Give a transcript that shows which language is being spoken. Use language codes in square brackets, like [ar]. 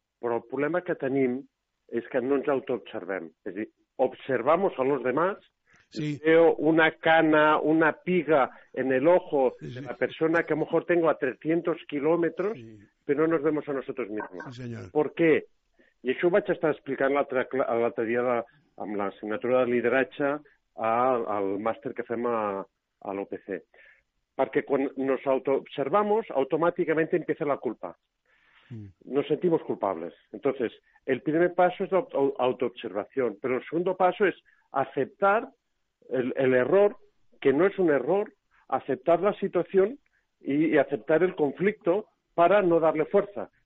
[ca] Però el problema que tenim és que no ens autoobservem. [es] És a dir, observamos a los demás, sí, veo una cana, una piga en el ojo, sí, de la persona que a lo mejor tengo a 300 kilómetros, sí, però no nos vemos a nosotros mismos. Sí, señor. ¿Por qué? [ca] I això ho vaig estar explicant l'altre dia amb l'assignatura de lideratge al màster que fem a l'OPC. [es] Porque cuando nos autoobservamos, automáticamente empieza la culpa. Nos sentimos culpables. Entonces, el primer paso es la autoobservación, pero el segundo paso es aceptar el error, que no es un error, aceptar la situación y aceptar el conflicto para no darle fuerza.